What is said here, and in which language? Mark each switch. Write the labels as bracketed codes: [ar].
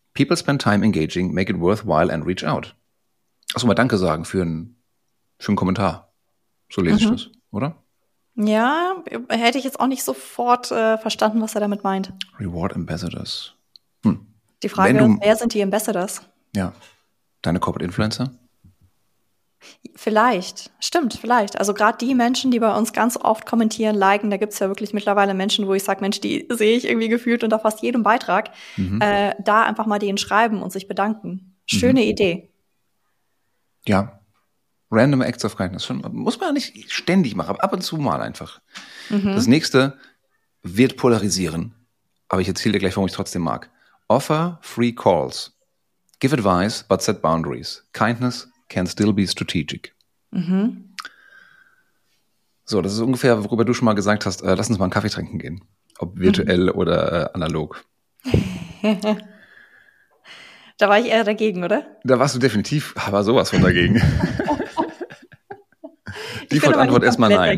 [en] People spend time engaging, make it worthwhile and reach out. [de] Achso, mal Danke sagen für einen Kommentar. So lese ich das, oder? Ja, hätte ich jetzt auch nicht sofort verstanden, was er damit meint. [en] Reward Ambassadors. [de] Die Frage ist, wer sind die Ambassadors? Ja, deine Corporate Influencer? Vielleicht, stimmt, vielleicht. Also gerade die Menschen, die bei uns ganz oft kommentieren, liken, da gibt es ja wirklich mittlerweile Menschen, wo ich sage, Mensch, die sehe ich irgendwie gefühlt unter fast jedem Beitrag. Mhm. Da einfach mal denen schreiben und sich bedanken. Schöne Idee. Ja. [en] Random Acts of Kindness. [de] Muss man ja nicht ständig machen, aber ab und zu mal einfach. Mhm. Das nächste wird polarisieren, aber ich erzähle dir gleich, warum ich trotzdem mag. [en] Offer free calls. Give advice, but set boundaries. Kindness can still be strategic. Mhm. [de] So, das ist ungefähr, worüber du schon mal gesagt hast, lass uns mal einen Kaffee trinken gehen. Ob virtuell oder analog. Da war ich eher dagegen, oder? Da warst du definitiv, aber sowas von dagegen. Die Antwort erstmal nein.